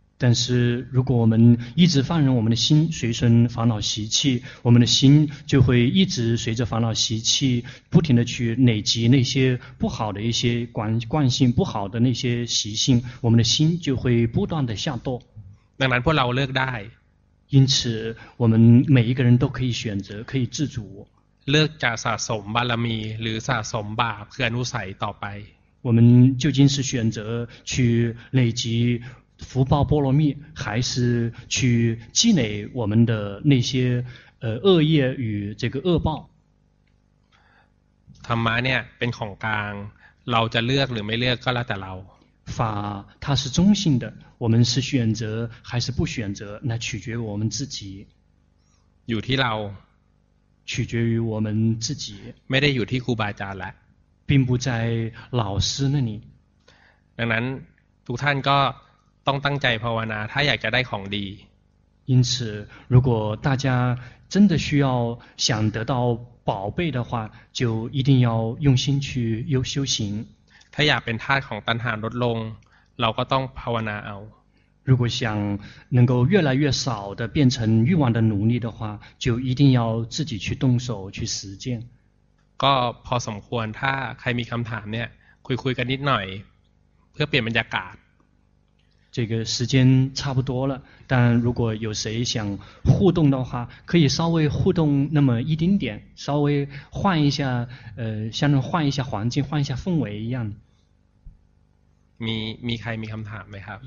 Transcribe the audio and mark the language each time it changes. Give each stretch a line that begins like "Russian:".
Chinese: 但是如果我们一直放任我们的心随顺烦恼习气我们的心就会一直随着烦恼习气不停地去累积那些不好的一些惯性不好的那些习性我们的心就会不断地下堕
Thai: ดังนั้นพวกเราเลือกได้
Chinese: 因此我们每一个人都可以选择可以自主
Thai: เลือกจะสะสมบารมีหรือสะสมบาปคืออนุสัยต่อไป
Chinese: 我们究竟是选择去累积福报波罗蜜还是去积累我们的那些恶业与这个恶报
Thai: ธรรมะเนี่ยเป็นของกลางเราจะเลือกหรือไม่เลือกก็แล้วแต่เรา
Chinese: 法它是中性的我们是选择还是不选择那取决于我们自己
Thai: อยู่ที่เรา
Chinese: 取决于我们自己
Thai: ไม่ได้อยู่ที่ครูบาอาจารย์ละ
Chinese: 并不在老师那里
Thai: ดังนั้นทุกท่านก็ต้องตั้งใจภาวนาถ้าอยากจะได้ของดี
Chinese: 因此如果大家真的需要想得到宝贝的话就一定要用心去修行
Thai: ถ้าอยากเป็นทาสของตัณหาลดลงเราก็ต้องภาวนาเอา
Chinese: 如果想能够越来越少的变成欲望的奴隶的话就一定要自己去动手去实践
Thai: ก็พอสมควรถ้าใครมีคำถามเนี่ยคุยกันนิดหน่อยเพื่อเปลี่ยนบรรยากาศ
Chinese: 这个时间差不多了但如果有谁想互动的话可以稍微互动那么一丁点稍微换一下像换一下环境换一下氛围一样
Thai: มีใครมีคำถามไหมครับ